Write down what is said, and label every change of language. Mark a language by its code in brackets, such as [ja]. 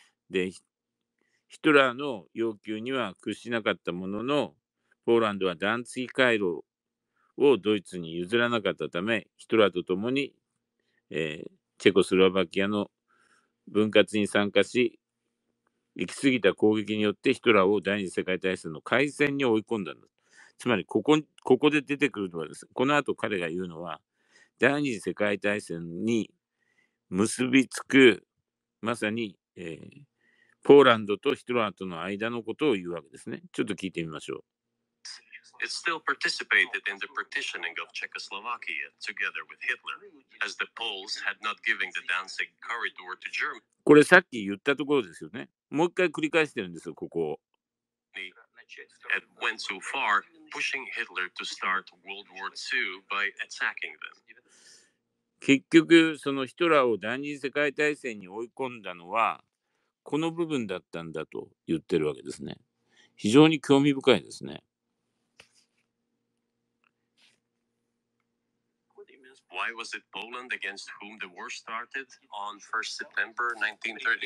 [ja] で、ヒトラーの要求には屈しなかったものの、ポーランドはダンツィ回廊をドイツに譲らなかったため、ヒトラーと共に、チェコスロバキアの分割に参加し、行き過ぎた攻撃によってヒトラーを第二次世界大戦の開戦に追い込んだの。つまりここで出てくるのはです、この後彼が言うのは、第二次世界大戦に結びつく、まさに、ポーランドとヒトラーとの間のことを言うわけですね。ちょっと聞いてみましょう。 [en] It still participated in the partitioning of Czechoslovakia together with Hitler, as the Poles had not given the Danzig corridor to Germany. [ja] これさっき言ったところですよね。もう一回繰り返してるんですよ、ここを。 [en] It went so far, pushing Hitler to start World War II by attacking them. [ja] 結局、そのヒトラーを第二次世界大戦に追い込んだのは、この部分だったんだと言ってるわけですね。非常に興味深いですね。 [en] Why was it Poland against whom the war started on 1st September 1939?